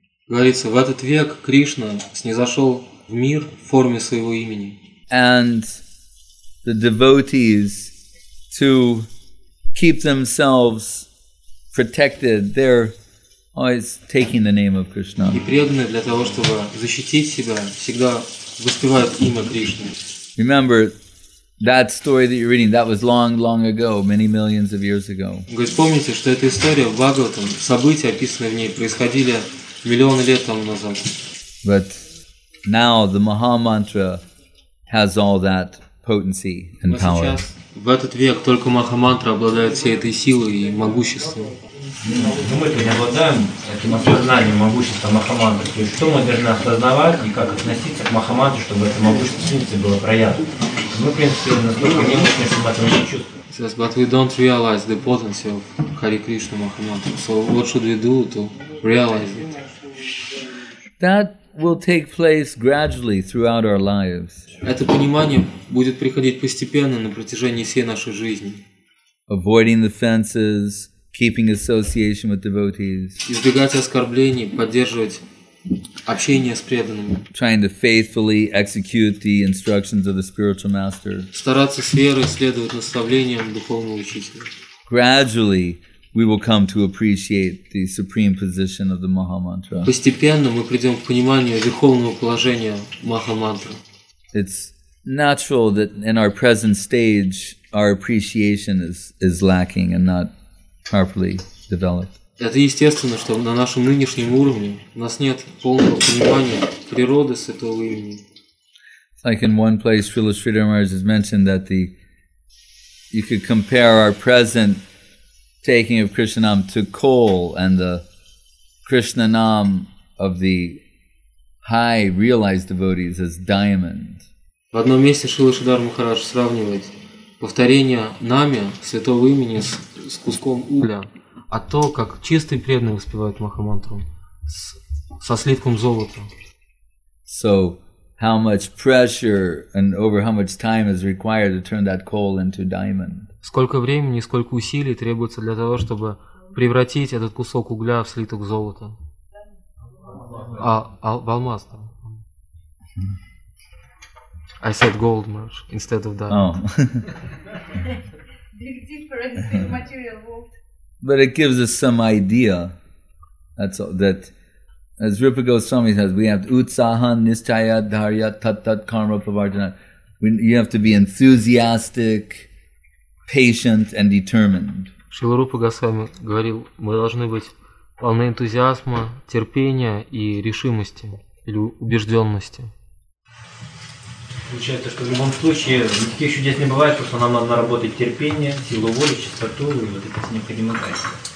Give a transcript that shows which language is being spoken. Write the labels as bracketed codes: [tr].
[ru] Говорится, в этот век Кришна снизошел в мир в форме своего имени. [en] And the devotees, to keep themselves protected, they're always taking the name of Krishna. [ru] И преданные для того, чтобы защитить себя, всегда воспевают имя Кришны. [en] Remember, that story that you're reading, that was long, long ago, many millions of years ago. [ru] Вы вспомните, что эта история в Бхагаватам, события, описанные в ней, происходили миллионы лет тому назад. [en] But now the Maha Mantra has all that potency and power. [ru] Но сейчас, в этот век, только Маха Мантра обладает всей этой силой и могуществом. Мы-то не обладаем этим осознанием могущества Махамантры. То есть что мы должны осознавать и как относиться к Махамантре, чтобы это могущество сильности было проявлено. Мы, в принципе, настолько немощны, что мы этого не чувствуем. Сейчас, [en] but we don't realize the potency of Hare Krishna Махамантры. So what should we do to realize it? That will take place gradually throughout our lives. [ru] Это понимание будет приходить постепенно на протяжении всей нашей жизни. [en] Avoiding the fences, keeping association with devotees. [ru] Избегать оскорблений, поддерживать общение с преданными. [en] Trying to faithfully execute the instructions of the spiritual master. [ru] Стараться с верой следовать наставлениям духовного учителя. [en] Gradually, we will come to appreciate the supreme position of the Maha Mantra. [ru] Постепенно мы придем к пониманию верховного положения Маха Мантры. [en] It's natural that in our present stage, our appreciation is lacking and not properly developed. [ru] Это естественно, что на нашем нынешнем уровне у нас нет полного понимания природы святого имени. [en] Like in one place, Srila Sridhar Maharaj has mentioned that you could compare our present taking of Krishna Nam to coal and the Krishna Nam of the high realized devotees as diamond. [ru] В одном месте Шрила Шридхар Махарадж сравнивает повторение нами святого имени с куском угля, а то, как чистый преданный воспевает Махамантру, со слитком золота. [en] So, how much pressure and over how much time is required to turn that coal into diamond? [ru] Сколько времени, сколько усилий требуется для того, чтобы превратить этот кусок угля в слиток золота? В алмаз. [en] I said gold much instead of diamond. Oh. Big difference in material world. But it gives us some idea. That's all, that as Rupa Goswami says, we have [sa] utsahan nischaya dharya tat tat karma pravartana. [en] You have to be enthusiastic, patient and determined. [ru] Шрила Рупа Госвами говорил, мы должны быть полны энтузиазма, терпения и решимости или убежденности. Получается, что в любом случае никаких чудес не бывает, просто нам надо наработать терпение, силу воли, чистоту и вот это необходимое качество.